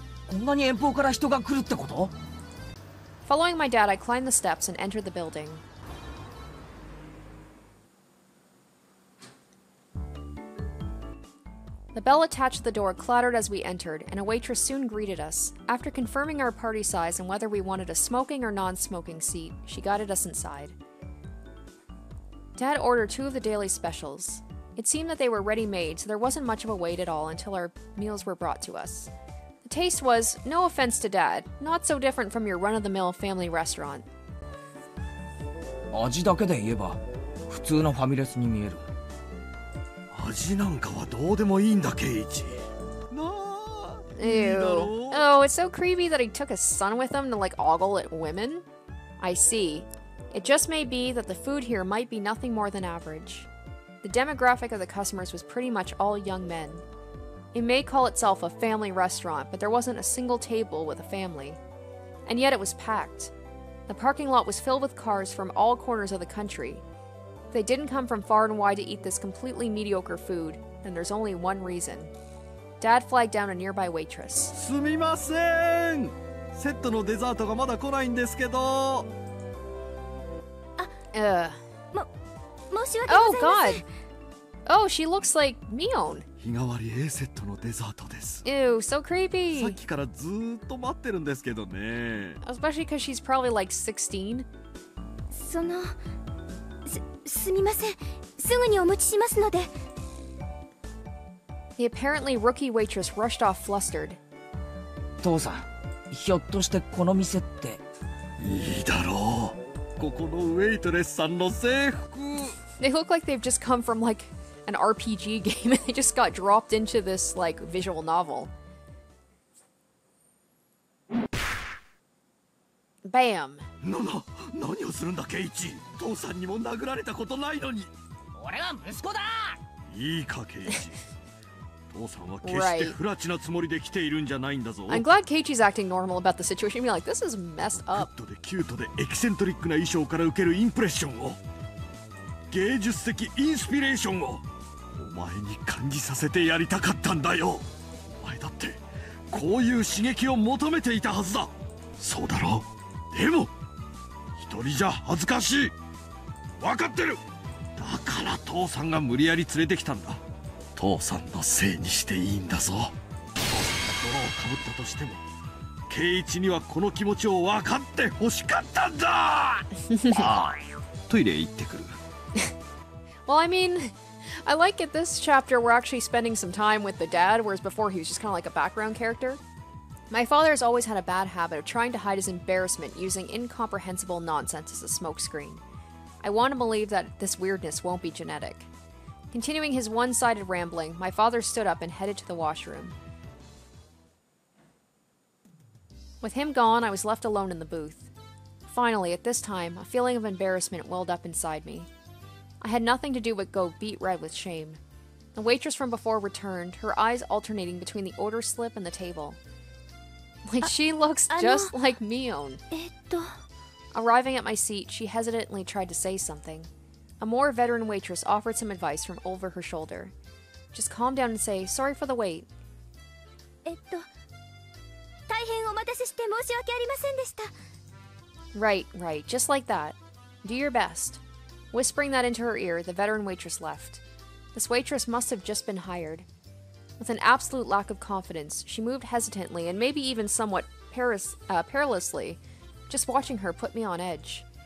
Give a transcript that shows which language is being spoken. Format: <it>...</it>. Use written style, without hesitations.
<ja>こんなに遠方から人が来るってこと?</ja> <en>Following my dad, I climbed the steps and entered the building. The bell attached to the door clattered as we entered, and a waitress soon greeted us. After confirming our party size and whether we wanted a smoking or non-smoking seat, she guided us inside. Dad ordered 2 of the daily specials. It seemed that they were ready-made, so there wasn't much of a wait at all until our meals were brought to us. Taste was, no offense to dad, not so different from your run-of-the-mill family restaurant.</en> <ja>味だけで言えば、普通のファミレスに見える。味なんかはどうでもいいんだ、ケイチ。なあ、いいだろう?</ja> <en>Oh, it's so creepy that he took his son with him to, ogle at women? I see. It just may be that the food here might be nothing more than average. The demographic of the customers was pretty much all young men. It may call itself a family restaurant, but there wasn't a single table with a family. And yet it was packed. The parking lot was filled with cars from all corners of the country. If they didn't come from far and wide to eat this completely mediocre food, then there's only one reason. Dad flagged down a nearby waitress.</en> <ja>すみません! セットのデザートがまだ来ないんですけど! 申し訳ございません!</ja> <en>Oh, God! Oh, she looks like Mion!</en> <ja>日替わり A セットのデザートです。</ja> <en>Ew, so creepy!</en> <ja>さっきからずっと待ってるんですけどね。</ja> <en>Especially because she's probably like 16.</en> <ja>その…すみません。すぐにお持ちしますので。</ja> <en>The apparently rookie waitress rushed off flustered.</en> <ja>Tōsan, ひょっとしてこの店って… いいだろう。ここのウェイトレスさんの制服。</ja> <en>They look like they've just come from like an RPG game and they just got dropped into this like visual novel. Bam.</en> <ja>Nono, 何をするんだケイチ。父さんにも殴られたことないのに。俺は息子だ。いいかケイチ。父さんは決してフラチなつもりで来ているんじゃないんだぞ。</ja> <en>I'm glad Keiichi's acting normal about the situation. Be like, this is messed up.</en> <ja>グッドでキュートでエキセントリックな衣装から受けるインプレッションを。芸術的インスピレーションをお前に感じさせてやりたかったんだよ。お前だってこういう刺激を求めていたはずだ。そうだろう。でも一人じゃ恥ずかしい。分かってる。だから父さんが無理やり連れてきたんだ。父さんのせいにしていいんだぞ。父さんが泥をかぶったとしてもケイチにはこの気持ちを分かってほしかったんだ。ああ、トイレ行ってくる。</ja> <en>Well, I mean, I like it. This chapter, we're actually spending some time with the dad, whereas before he was just kind of like a background character. My father has always had a bad habit of trying to hide his embarrassment using incomprehensible nonsense as a smokescreen. I want to believe that this weirdness won't be genetic. Continuing his one-sided rambling, my father stood up and headed to the washroom. With him gone, I was left alone in the booth. Finally, at this time, a feeling of embarrassment welled up inside me. I had nothing to do but go beet red with shame. The waitress from before returned, her eyes alternating between the order slip and the table. Like, she looks just like Mion. Arriving at my seat, she hesitantly tried to say something. A more veteran waitress offered some advice from over her shoulder. Just calm down and say, sorry for the wait.</en> <ja>大変お待たせして申し訳ありませんでした。</ja> <en>Right, right, just like that. Do your best. Whispering that into her ear, the veteran waitress left. This waitress must have just been hired. With an absolute lack of confidence, she moved hesitantly and maybe even somewhat perilously, just watching her put me on edge.</en>